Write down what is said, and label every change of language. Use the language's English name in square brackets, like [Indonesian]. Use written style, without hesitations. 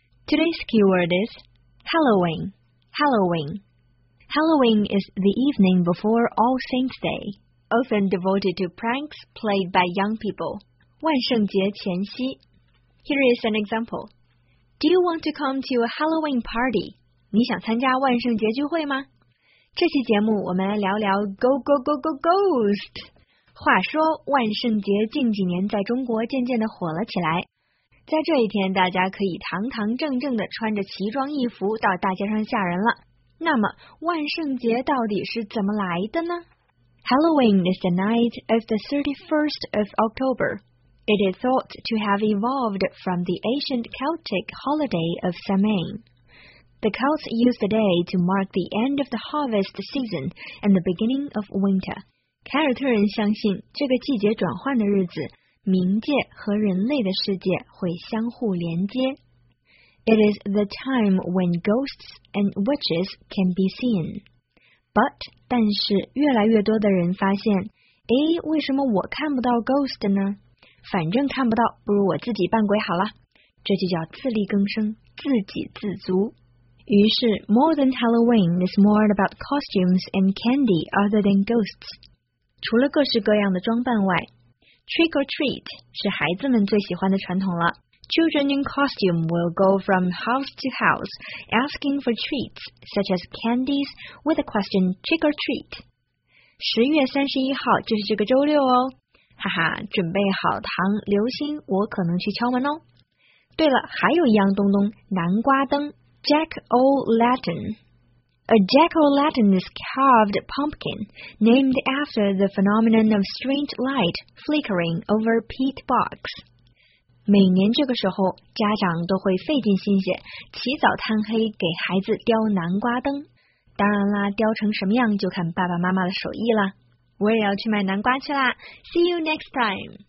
[English] Today's keyword is Halloween. Halloween. Halloween is the evening before All Saints Day, often devoted to pranks played by young people. [Chinese] 万圣节前夕。 [English] Here is an example. Do you want to come to a Halloween party? [Chinese] 你想参加万圣节聚会吗？这期节目我们来聊聊 Go Go Go Go Ghost。话说万圣节近几年在中国渐渐地火了起来，在这一天大家可以堂堂正正地穿着奇装异服到大街上吓人了。那么万圣节到底是怎么来的呢？ [English] Halloween is the night of the 31st of October. It is thought to have evolved from the ancient Celtic holiday of Samhain. The Celts used the day to mark the end of the harvest season and the beginning of winter. [Chinese] 凯尔特人相信这个季节转换的日子，冥界和人类的世界会相互连接。 [English] It is the time when ghosts and witches can be seen. But, [Chinese] 但是越来越多的人发现，诶，为什么我看不到 ghost 呢？反正看不到，不如我自己扮鬼好了。这就叫自力更生，自给自足。于是 [English] modern Halloween is more about costumes and candy other than ghosts. [Chinese] 除了各式各样的装扮外 , [English] trick or treat [Chinese] 是孩子们最喜欢的传统了。 Children in costume will go from house to house asking for treats, such as candies, with the question trick or treat. 10月31号就是这个周六哦。哈哈，准备好糖、流星，我可能去敲门哦。对了，还有一样东东，南瓜灯 [English] ,Jack-o'-lantern. A jack-o'-lantern is carved pumpkin, named after the phenomenon of strange light flickering over peat box. [Chinese] 每年这个时候，家长都会费尽心血，起早贪黑给孩子雕南瓜灯。当然啦，雕成什么样就看爸爸妈妈的手艺啦。我也要去买南瓜去啦。 [English] See you next time!